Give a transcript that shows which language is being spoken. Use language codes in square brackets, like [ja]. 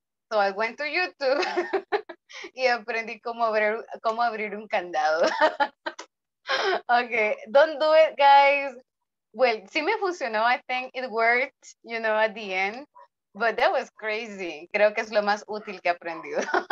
[en] So I went to YouTube [es] y aprendí cómo abrir un candado. [en] Okay, don't do it, guys. Well, [es] sí me funcionó. [en] I think it worked, you know, at the end. But that was crazy. [es] Creo que es lo más útil que he aprendido.